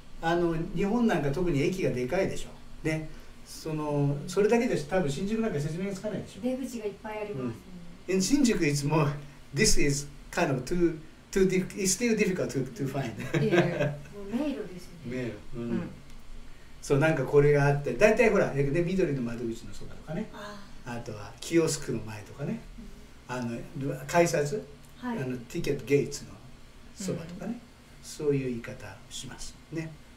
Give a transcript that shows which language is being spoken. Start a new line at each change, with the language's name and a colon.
Japanese: あの日本なんか特に駅がでかいでしょ、ね、そのそれだけで多分新宿なんか説明がつかないでしょ。出口がいっぱいあります、
English: うん、新宿 it's more this is kind of too difficult, it's still difficult to find、
Japanese: 迷路ですよね、迷路、うんうん、そう、なんかこれがあって、だいたいほら、ね、緑の窓口のそばとかね、あとはキオスクの前とかね、あの改札、はい、あのティケットゲイツのそばとかね、うん、そういう言い方しますね。